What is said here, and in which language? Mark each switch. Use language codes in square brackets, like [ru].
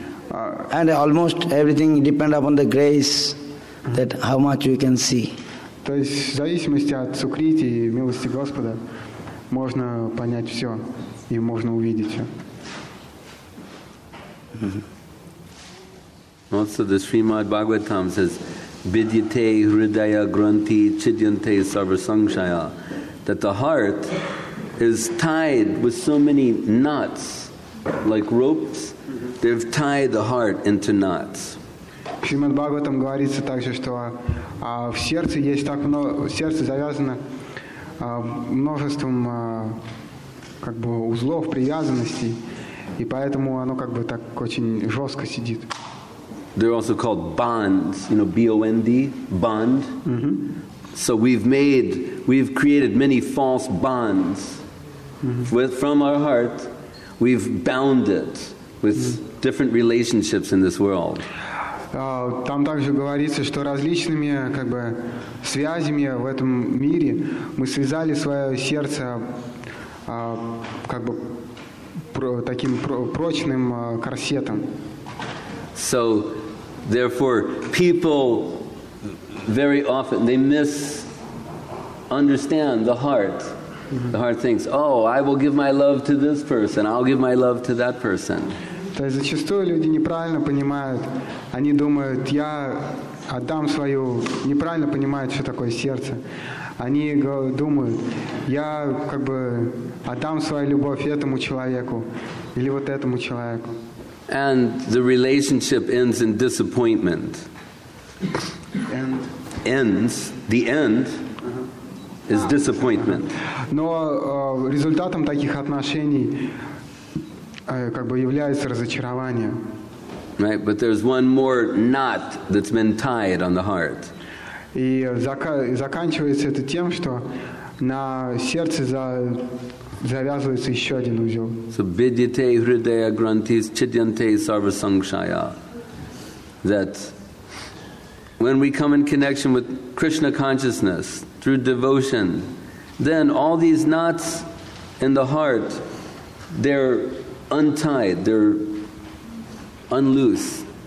[en] And almost everything depends upon the grace, that how much we can see. [ru] То есть в зависимости от Сукрити и милости Господа можно понять все и можно увидеть все. [en] Also the Srimad Bhagavatam says, [sa] Vidyate hridaya granti chidyante sarvasangshaya, [en] that the heart is tied with so many knots, like ropes, they've tied the heart into knots. [ru] В Шримад Бхагаватам говорится также, что в сердце есть так много, в сердце завязано множеством как бы узлов, привязанностей, и поэтому оно как бы так очень жестко сидит. [en] They're also called bonds, you know, B-O-N-D, bond. Mm-hmm. So we've created many false bonds. Mm-hmm. From our heart, we've bound it with different relationships in this world. [ru] Там также говорится, что различными как бы связями в этом мире мы связали свое сердце как бы таким прочным корсетом. [en] So, therefore, people very often they misunderstand the heart. Mm-hmm. The heart thinks, "Oh, I will give my love to this person. I'll give my love to that person." [ru] То есть зачастую люди неправильно понимают. Они думают, я отдам свою. Неправильно понимают, что такое сердце. Они думают, я как бы отдам свою любовь этому человеку или вот этому человеку. [en] And the relationship ends in disappointment. And ends. The end is disappointment. [ru] Но результатом таких отношений как бы является разочарование. [en] Right, but there's one more knot that's been tied on the heart. [ru] И заканчивается это тем, что на сердце завязывается еще один узел. [sa] So vidyate hridaya grantis chidyante sarvasangshaya. [en] That when we come in connection with Krishna consciousness through devotion, then all these knots in the heart, they're untied, they're unloose.